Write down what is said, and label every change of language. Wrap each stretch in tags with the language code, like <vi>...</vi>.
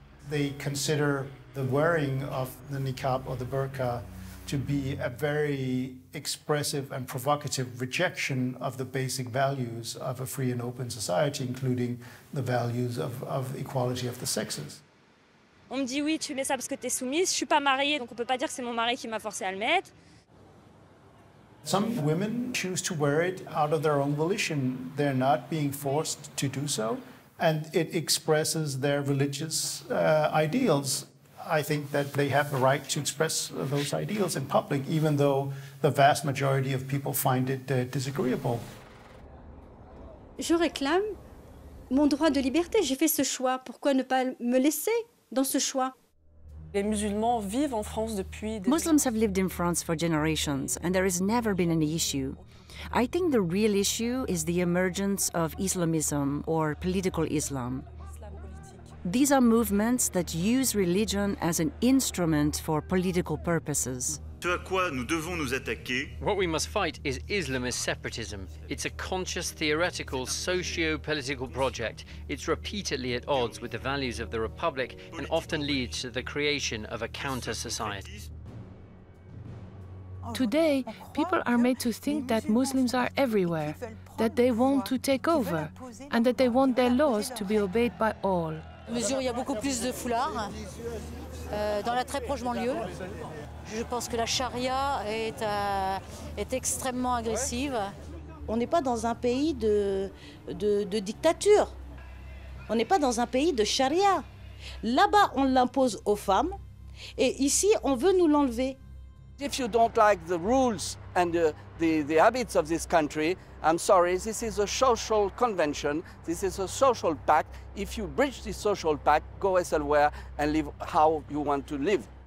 <en>They consider the wearing of the niqab or the burqa to be a very expressive and provocative rejection of the basic values of a free and open society, including the values of equality of the sexes.</en> <fr>On me dit oui, tu mets ça parce que t'es soumise. Je suis pas mariée, donc on peut pas dire que c'est mon mari qui m'a forcé à le mettre.</fr> <en>Some women choose to wear it out of their own volition. They're not being forced to do so, and it expresses their religious ideals. I think that they have the right to express those ideals in public, even though the vast majority of people find it disagreeable.</en> <fr>Je réclame mon droit de liberté. J'ai fait ce choix. Pourquoi ne pas me laisser dans ce choix? Les musulmans vivent en France depuis...</fr> <en>Muslims have lived in France for generations, and there has never been any issue. I think the real issue is the emergence of Islamism or political Islam. These are movements that use religion as an instrument for political purposes.</en> <fr>Ce à quoi nous devons nous attaquer...</fr> <en>What we must fight is Islamist separatism. It's a conscious, theoretical, socio-political project. It's repeatedly at odds with the values of the Republic and often leads to the creation of a counter-society. Today, people are made to think that Muslims are everywhere, that they want to take over, and that they want their laws to be obeyed by all.</en> <fr>Mesure, il y a beaucoup plus de foulards dans la très proche banlieue. Je pense que la charia est extrêmement agressive. On n'est pas dans un pays de dictature. On n'est pas dans un pays de charia. Là-bas, on l'impose aux femmes, et ici, on veut nous l'enlever.</fr> <en>If you don't like the rules and the habits of this country, I'm sorry, this is a social convention, this is a social pact. If you breach this social pact, go elsewhere and live how you want to live.</en>